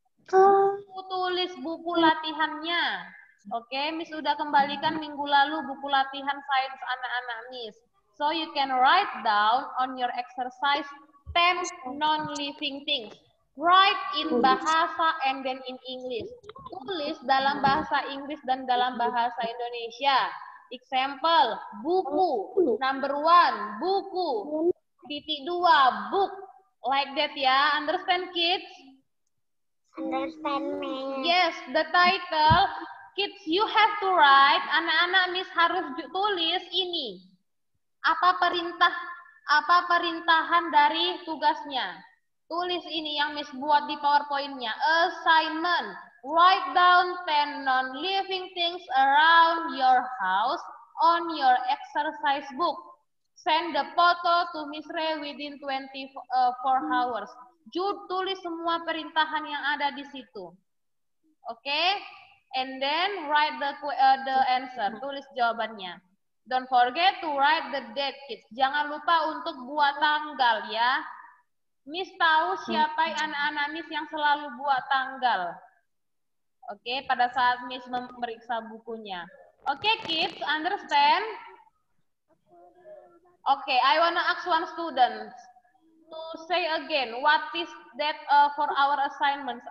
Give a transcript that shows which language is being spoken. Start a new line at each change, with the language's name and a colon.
Indonesian: Aku tulis buku latihannya. Oke, okay? Miss udah kembalikan minggu lalu buku latihan science anak-anak Miss.
English: So you can write down on your exercise 10 non-living things. Write in bahasa and then in English.
Indonesian: Tulis dalam bahasa Inggris dan dalam bahasa Indonesia.
English: Example, buku. Number one, buku.
Indonesian: Titik dua,
English: book. Like that ya, understand kids? Understand me. Yes, the title. Kids, you have to write.
Indonesian: Anak-anak Miss harus tulis ini. Apa perintahan dari tugasnya? Tulis ini yang Miss buat di PowerPoint-nya.
English: Assignment. Write down 10 non-living things around your house on your exercise book. Send the photo to Miss Ray within 24 hours.
Indonesian: Tulis semua perintahan yang ada di situ.
English: Oke? Okay? And then write the answer.
Indonesian: Tulis jawabannya.
English: Don't forget to write the date, kids.
Indonesian: Jangan lupa untuk buat tanggal, ya. Miss tahu siapa anak-anak Miss yang selalu buat tanggal. Oke, okay, pada saat Miss memeriksa bukunya.
English: Oke, okay, kids, understand? Oke, okay, I wanna ask one student to say again, what is that for our assignments?